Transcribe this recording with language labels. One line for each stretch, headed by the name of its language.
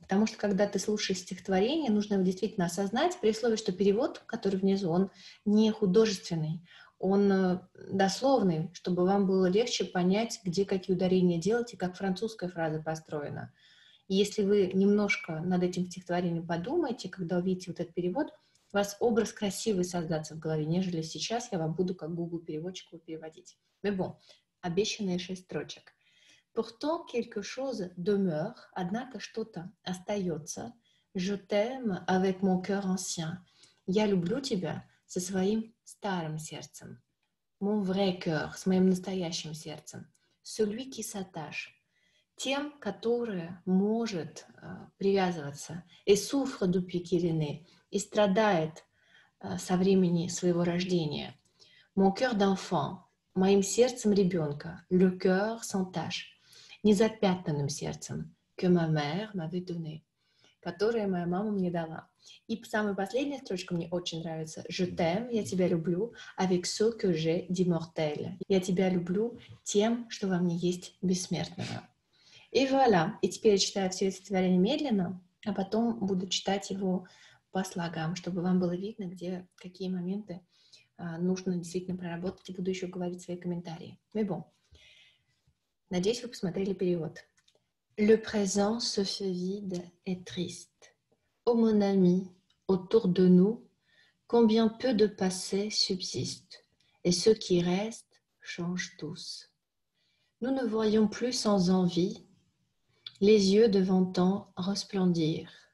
Russian: Потому что, когда ты слушаешь стихотворение, нужно его действительно осознать, при условии, что перевод, который внизу, он не художественный, он дословный, чтобы вам было легче понять, где какие ударения делать и как французская фраза построена. И если вы немножко над этим стихотворением подумаете, когда увидите вот этот перевод, у вас образ красивый создаться в голове, нежели сейчас я вам буду как Google-переводчик его переводить. Бебо, обещанные 6 строчек.
French: Pourtant quelque chose demeure,
Russian: однако что-то остается.
French: Je t'aime avec mon cœur ancien.
Russian: Я люблю тебя со своим старым сердцем.
French: Mon vrai cœur,
Russian: с моим настоящим сердцем.
French: Celui qui s'attache.
Russian: Тем, которое может привязываться.
French: Et souffre depuis qu'il est né.
Russian: И страдает со времени своего рождения.
French: Mon cœur d'enfant,
Russian: моим сердцем ребенка,
French: le cœur sans tache,
Russian: незапятнанным сердцем,
French: que ma mère m'avait donné,
Russian: которое моя мама мне дала. И самая последняя строчка мне очень нравится.
French: Je t'aime,
Russian: я тебя люблю,
French: avec ce que j'ai d'immortel.
Russian: Я тебя люблю тем, что во мне есть бессмертного. И вуаля. И теперь я читаю все это творение медленно, а потом буду читать его по слогам, чтобы вам было видно, где какие моменты нужно действительно проработать, и буду еще говорить свои комментарии.
French: Mais bon.
Russian: Надеюсь, вы посмотрели перевод.
French: Le présent se fait vide et triste. Ô mon ami, autour de nous, combien peu de passé subsiste, et ceux qui restent changent tous. Nous ne voyons plus sans envie les yeux devant tant resplendir.